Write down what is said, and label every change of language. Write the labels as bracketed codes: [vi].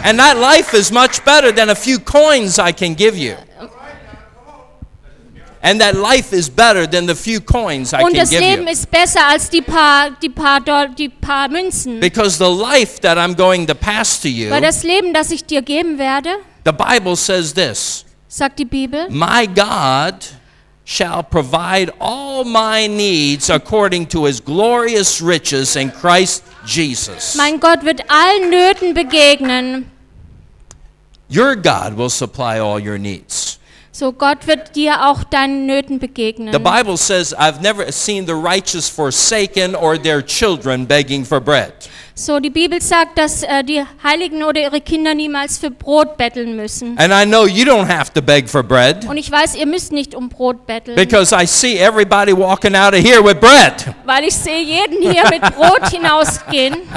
[en] And that life is much better than a few coins I can give you. And that life is better than the few coins I [de] Und [en] can give [de] Und das Leben ist besser als die paar Münzen. [en] Because the life that I'm going to pass to you. [de] Weil das Leben, das ich dir geben werde. [en] The Bible says this. [de] Sagt die Bibel. [en] My God shall provide all my needs according to his glorious riches in Christ Jesus. [de] Mein Gott wird allen Nöten begegnen. [en] Your God will supply all your needs. [de] So Gott wird dir auch deinen Nöten begegnen. [en] The Bible says, I've never seen the righteous forsaken or their children begging for bread. [de] So die Bibel sagt, dass die Heiligen oder ihre Kinder niemals für Brot betteln müssen. [en] And I know you don't have to beg for bread. [de] Und ich weiß, ihr müsst nicht um Brot betteln. [en] Because I see everybody walking out of here with bread. [de] Weil ich sehe jeden hier mit Brot hinausgehen.